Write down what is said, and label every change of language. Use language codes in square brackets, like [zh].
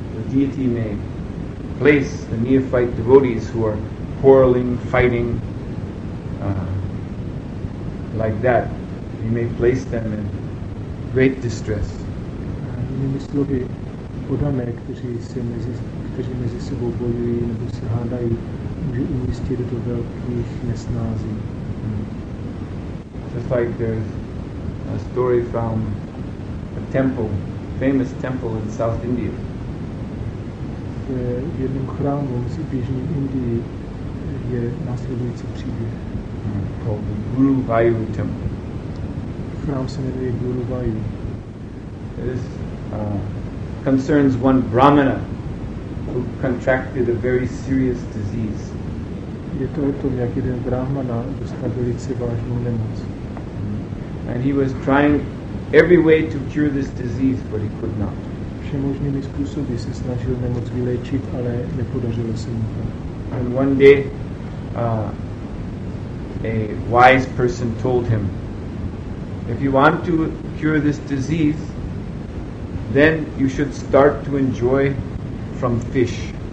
[en] The deity may place the neophyte devotees who are quarreling, fighting, like that, he may place them in great distress. [cs] Jinými slovy, podané, kteří mezi sebou bojují nebo se hádají, může umístit do velkých nesnází. [en] Just like there's a story from a temple, famous temple in South India. [cs] V jednom chrámu v jižní Indii je následující příběh. [en] Called the Guru Vayu Temple. [cs] Chrám se jmenuje Guru Vayu. [en] This concerns one Brahmana who contracted a very serious disease. [cs] Je to o tom, jak jeden Brahmana dostal velice vážnou nemoc. [en] And he was trying every way to cure this disease, but he could not. [cs] Všemožnými způsoby se snažil nemoc vyléčit, ale nepodařilo se mu to. [en] And one day, a wise person told him, if you want to cure this disease, then you should start to enjoy from fish.